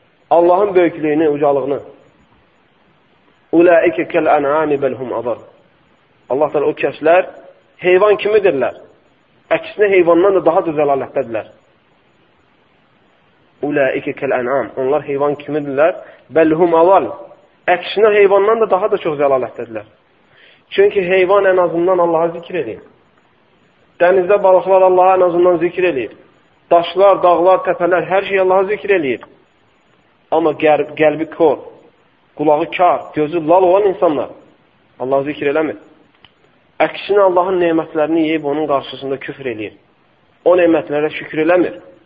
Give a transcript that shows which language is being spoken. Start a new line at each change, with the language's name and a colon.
Azerbaijani: Allah'ın böyüklüğünü, ucalığını.
Arabic: Ulaike kel an'ami bel hum adar.
Azerbaijani: Allah Teala o kəslər heyvan kimidirlər. Əksinə heyvandan da daha zəlalətdədirlər.
Arabic: Ulaike kel an'am.
Azerbaijani: Onlar heyvan kimidirlər.
Arabic: Bel hum adar.
Azerbaijani: Əksinə heyvandan da daha da çox zəlalətdədirlər. Çünki heyvan en azından Allah'a zikr edir. Dənizdə balıqlar Allah'a en azından zikr edir. Daşlar, dağlar, təpələr hər şey Allah'a zikr edir. Ama qəlbi kör, qulağı kar, gözü lal olan insanlar Allah zikir eləmir. Əksinə Allah'ın nemətlərini yeyib onun qarşısında küfr eləyir. O nemətlərə şükür eləmir.